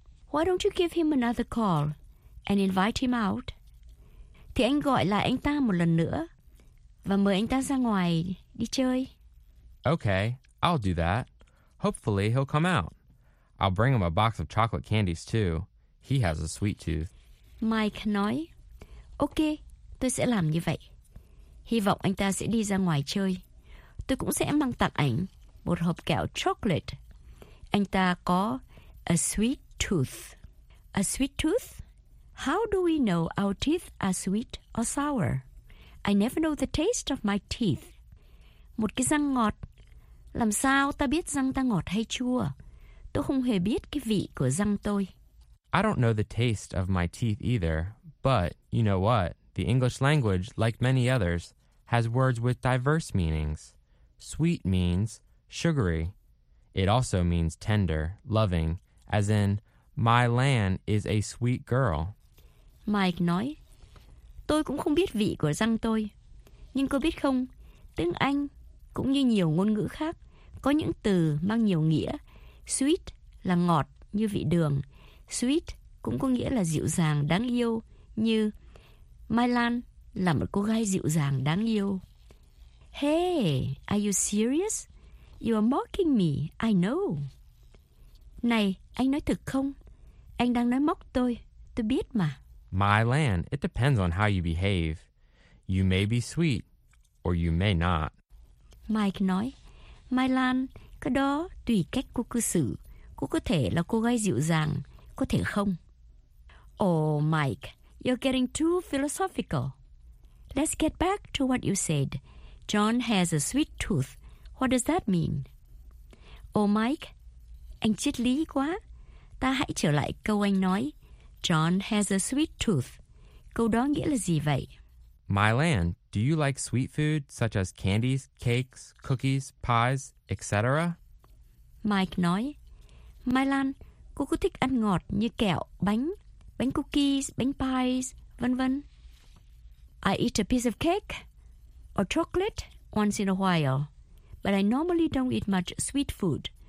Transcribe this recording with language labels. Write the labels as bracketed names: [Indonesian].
[English] Why don't you give him another call and invite him out? [Vietnamese] Thì anh gọi lại anh ta một lần nữa và mời anh ta ra ngoài đi chơi. [English] Okay, I'll do that. Hopefully he'll come out. I'll bring him a box of chocolate candies too. He has a sweet tooth. [Vietnamese] Mike nói, ok, tôi sẽ làm như vậy. Hy vọng anh ta sẽ đi ra ngoài chơi. Tôi cũng sẽ mang tặng anh một hộp kẹo chocolate. Anh ta có a sweet tooth. A sweet tooth? [English] How do we know our teeth are sweet or sour? I never know the taste of my teeth. [Vietnamese] Một cái răng ngọt. Làm sao ta biết răng ta ngọt hay chua? Tôi không hề biết cái vị của răng tôi. [English] I don't know the taste of my teeth either, but you know what? The English language, like many others, has words with diverse meanings. Sweet means sugary. It also means tender, loving, as in, my Lan is a sweet girl. [Vietnamese] Mike nói, tôi cũng không biết vị của răng tôi. Nhưng cô biết không, tiếng Anh cũng như nhiều ngôn ngữ khác có những từ mang nhiều nghĩa. Sweet là ngọt như vị đường. Sweet cũng có nghĩa là dịu dàng, đáng yêu, như My Lan là một cô gái dịu dàng, đáng yêu. [English] Hey, are you serious? You are mocking me, I know. [Vietnamese] Này, anh nói thật không? Anh đang nói móc tôi biết mà. [English] My land, it depends on how you behave. You may be sweet, or you may not. [Vietnamese] Mike nói, My land, cái đó tùy cách cô cư xử. Cô có thể là cô gái dịu dàng, có thể không. [English] Oh, Mike, you're getting too philosophical. Let's get back to what you said. John has a sweet tooth. What does that mean? Oh, Mike, [Vietnamese] anh triết lý quá. Ta hãy trở lại câu anh nói. [English] John has a sweet tooth. [Vietnamese] Câu đó nghĩa là gì vậy? [English] My land, do you like sweet food such as candies, cakes, cookies, pies, etc.? [Vietnamese] Mike nói, My land, cô có thích ăn ngọt như kẹo, bánh, bánh cookies, bánh pies, vân vân. [English] I eat a piece of cake or chocolate once in a while, but I normally don't eat much sweet food.